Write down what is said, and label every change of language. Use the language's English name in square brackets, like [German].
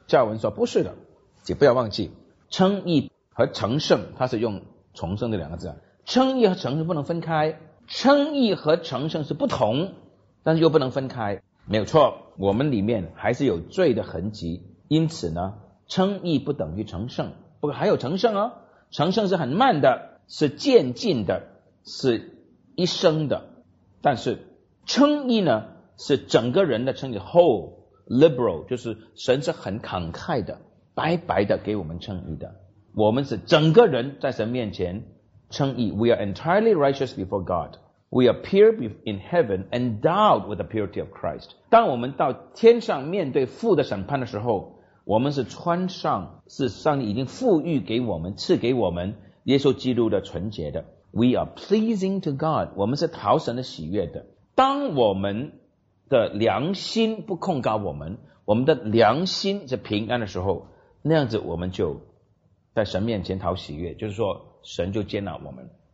[Chinese] 加尔文说不是的，请不要忘记称义和成圣，他是用重生的两个字，称义和成圣不能分开，称义和成圣是不同但是又不能分开，没有错，我们里面还是有罪的痕迹，因此呢称义不等于成圣，不过还有成圣哦，成圣是很慢的，是渐进的，是一生的，但是称义呢是整个人的称义， [English] whole liberal， [Chinese] 就是神是很慷慨的，白白的给我们称义的，我们是整个人在神面前称义。 [English] We are entirely righteous before God. We appear in heaven endowed with the purity of Christ. [Chinese] 当我们到天上面对父的审判的时候，我们是穿上是上帝已经赋予给我们赐给我们耶稣基督的纯洁的， [English] We are pleasing to God. [Chinese] 我们是讨神的喜悦的。当我们的良心不控告我们，我们的良心是平安的时候，那样子我们就在神面前讨喜悦，就是说神就接纳我们。